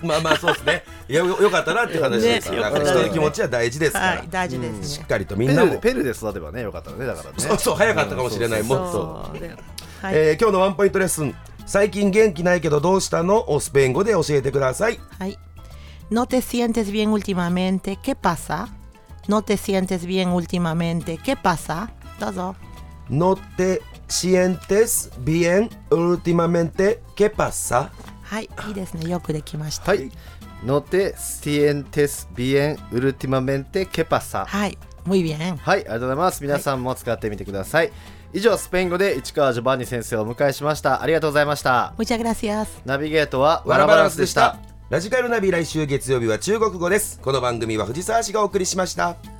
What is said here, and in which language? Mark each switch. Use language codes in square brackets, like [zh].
[ja] まあそうですね。良かったなっていう話ですから、ね、人の気持ちは大事ですから、はい、大事ですね、しっかりとみんなもペルで育てばね、良かったね。だからね、そう、早かったかもしれない、もっと。そう、はい、今日のワンポイントレッスン、最近元気ないけどどうしたのをスペイン語で教えてください。 [es] はい、 No te sientes bien últimamente, ¿qué pasa? No te sientes bien últimamente, ¿qué pasa? [ja] どうぞ。 [es] No te sientes bien últimamente, ¿qué pasa? [ja] はい、いいですね、よくできました。はい、 No te sientes bien últimamente, ¿qué pasa? [es] はい、muy bien。 [ja] はい、ありがとうございます。皆さんも使ってみてください。以上、スペイン語で市川ジョバンニ先生をお迎えしました。ありがとうございました。 [es] Muchas gracias。 [ja] ナビゲートはワラバランスでした。ラジカルナビ、来週月曜日は中国語です。この番組は藤沢氏がお送りしました。